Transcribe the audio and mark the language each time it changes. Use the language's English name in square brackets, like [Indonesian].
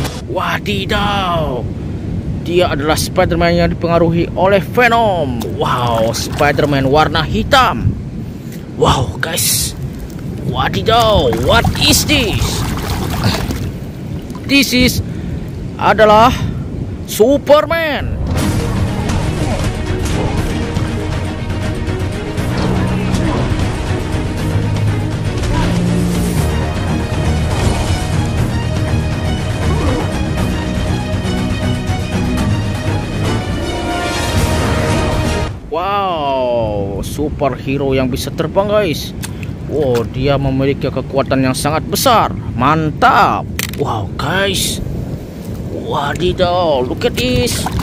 [Indonesian] Wadidaw, dia adalah Spider-Man yang dipengaruhi oleh Venom. Wow, Spider-Man warna hitam. [English] Wow guys, wadidaw, what is this? This is [Indonesian] adalah Superman. Wow, superhero yang bisa terbang guys. Wow, dia memiliki kekuatan yang sangat besar. Mantap. [English] Wow guys, wadidaw, look at this.